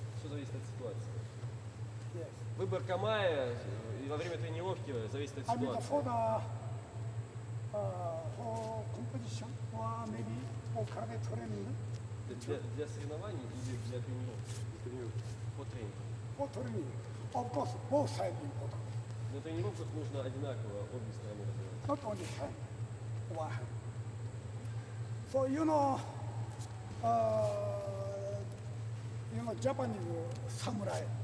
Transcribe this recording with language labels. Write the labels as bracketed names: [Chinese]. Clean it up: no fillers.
[Russian] Все зависит от ситуации. [English] Yes. [Russian] Выбор камая и во время тренировки зависит от ситуации. [English] For the for composition or maybe for karate training. [Russian] Для соревнований или для тренировки? [English] For training. For training. Of course, both sides important. [Russian] На тренировках нужно одинаково обе стороны развивать. [English] Not only hand, one hand. So you know, you know, Japanese samurai.